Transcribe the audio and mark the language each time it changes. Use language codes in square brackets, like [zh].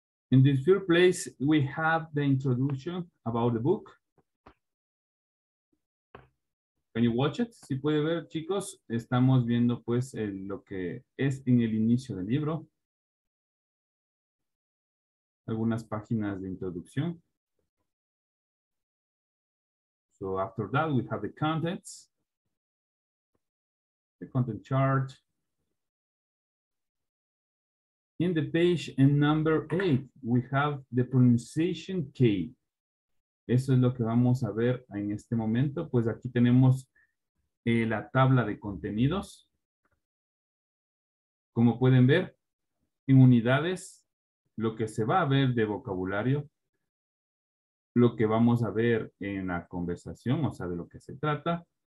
[en] In this third place, we have the introduction about the book. Can you watch it? [es] Si puede ver, chicos, estamos viendo pues el, lo que es en el inicio del libro. Algunas páginas de introducción. [en] So after that, we have the contents. The content chart. In the page in number 8, we have the pronunciation key. [es] Eso es lo que vamos a ver en este momento. Pues aquí tenemos la tabla de contenidos. Como pueden ver, en unidades, lo que se va a ver de vocabulario, lo que vamos a ver en la conversación, o sea, de lo que se trata.